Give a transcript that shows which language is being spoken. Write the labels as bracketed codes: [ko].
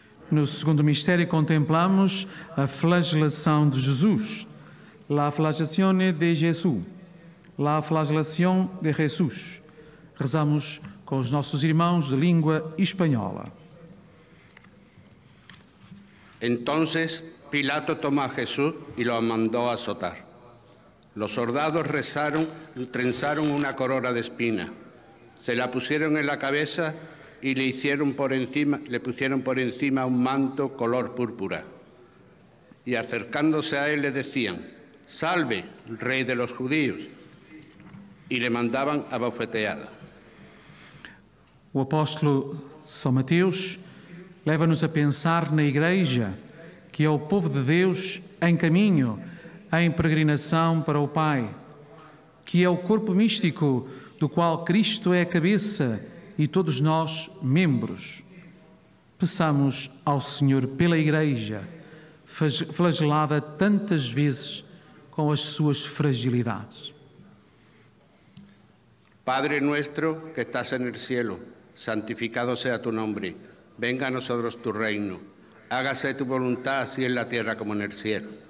[pt] No segundo mistério contemplamos a flagelação de Jesus. [it] La flagelazione de Jesus. [es] La flagelación de Jesús. [pt] Rezamos com os nossos irmãos de língua espanhola. [es] Entonces Pilato tomó a Jesús y lo mandó a azotar. Los soldados rezaron, trenzaron una corona de espina. Se la pusieron en la cabeza y le pusieron por encima un manto color púrpura. Y acercándose a él le decían: «Salve, rey de los judíos». Y le mandaban a bofeteada. [pt] O apóstolo São Mateus leva-nos a pensar na igreja, que é o povo de Deus em caminho, em peregrinação para o Pai, que é o corpo místico do qual Cristo é a cabeça, e todos nós, membros. Peçamos ao Senhor pela Igreja, flagelada tantas vezes com as suas fragilidades. [es] Padre nuestro que estás en el cielo, santificado sea tu nombre. Venga a nosotros tu reino. Hágase tu voluntad así en la tierra como en el cielo.